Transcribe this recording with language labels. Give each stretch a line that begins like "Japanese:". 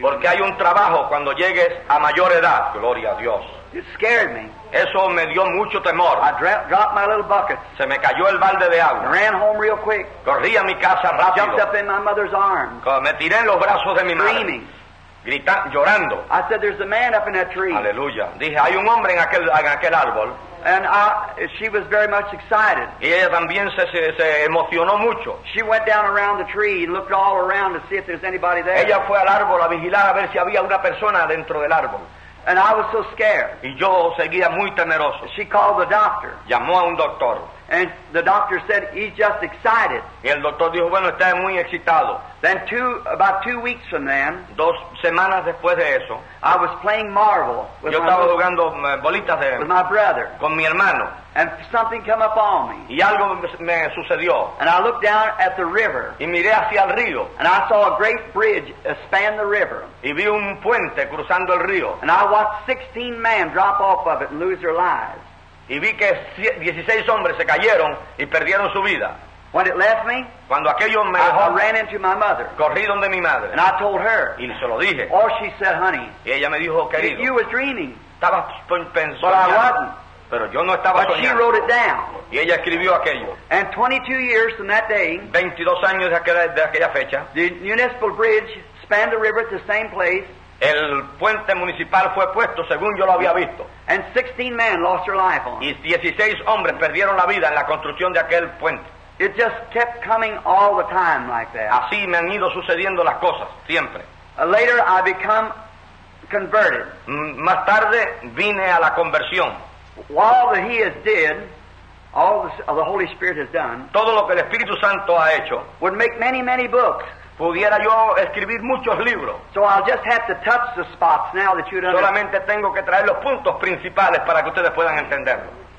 Spanish: Porque hay un trabajo cuando llegues a mayor edad. Gloria a Dios.
English: It scared me.
Spanish: Eso me dio mucho temor.
English: I dropped my little bucket.
Spanish: Se me cayó el balde de agua.
English: I ran home real quick.
Spanish: Corrí a mi casa rápido.
English: I jumped up in my mother's arms.
Spanish: Me tiré en los brazos de mi madre.
English: Screaming.
Spanish: Gritando, llorando.
English: I said, "There's a man up in that tree."
Spanish: Aleluya. Dije, hay un hombre en aquel árbol.
English: And she was very much excited.
Spanish: Y ella también se emocionó mucho.
English: She went down around the tree and looked all around to see if there's anybody there.
Spanish: Ella fue al árbol a vigilar a ver si había una persona dentro del árbol.
English: And I was so scared.
Spanish: Y yo seguía muy temeroso.
English: She called the doctor.
Spanish: Llamó a un doctor.
English: And the doctor said, "He's just excited."
Spanish: Y el doctor dijo, bueno, está muy excitado.
English: Then about two weeks from then,
Spanish: 2 semanas después de eso,
English: I was playing marble with,
Spanish: yo estaba jugando bolitas de,
English: with my brother,
Spanish: con mi hermano.
English: And something came up on me.
Spanish: Y algo me sucedió.
English: And I looked down at the river.
Spanish: Y miré hacia el río.
English: And I saw a great bridge span the river.
Spanish: Y vi un puente cruzando el río.
English: And I watched 16 men drop off of it and lose their lives.
Spanish: Y vi que 16 hombres se cayeron y perdieron su vida.
English: When it left me,
Spanish: cuando aquello me dejó,
English: I ran into my mother.
Spanish: Corrí donde mi madre.
English: And I told her.
Spanish: Y se lo dije.
English: Or she said, "Honey."
Spanish: Y ella me dijo, querido.
English: You were dreaming.
Spanish: estaba pensando. Pero yo no estaba soñando.
English: But she wrote it down.
Spanish: Y ella escribió aquello.
English: And 22 years from that day,
Spanish: 22 años de aquella fecha,
English: the municipal bridge spanned the river at the same place.
Spanish: El puente municipal fue puesto según yo lo había visto.
English: And 16 men lost their life on.
Spanish: Y 16 hombres perdieron la vida en la construcción de aquel puente.
English: It just kept coming all the time like that.
Spanish: Así me han ido sucediendo las cosas siempre.
English: Later I become converted.
Spanish: Más tarde vine a la conversión.
English: All that he has did, all the Holy Spirit has done,
Spanish: todo lo que el Espíritu Santo ha hecho,
English: would make many, many books.
Spanish: Pudiera yo escribir muchos libros.
English: So I'll just have to touch the spots now that you'd understand.
Spanish: Solamente tengo que traer los puntos principales para que ustedes puedan entenderlo.